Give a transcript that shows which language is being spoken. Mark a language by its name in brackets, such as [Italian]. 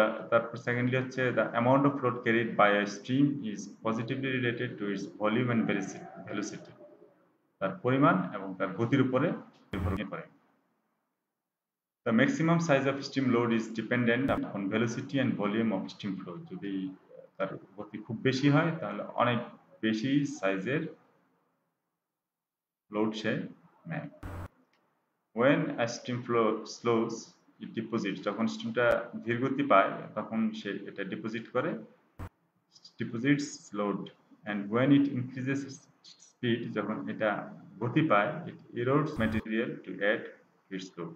[Bangla] তারপর সেকেন্ডলি হচ্ছে [English] the amount of load carried by a stream is positively related to its volume and velocity, [Bangla] তার পরিমাণ এবং তার গতির উপরে নির্ভর করে। [English] The maximum size of stream load is dependent upon velocity and volume of stream flow. [Bangla] যদি তার গতি খুব বেশি হয় তাহলে অনেক বেশি সাইজের লোড সে নেয়। [English] When a stream flow slows, it deposits. [Bangla] যখন স্ট্রিমটা ধীর গতি পায় তখন সে এটা ডিপোজিট করে, [English] deposits load. And when it increases speed, [Bangla] যখন এটা গতি পায়, [English] it erodes material to add to its load.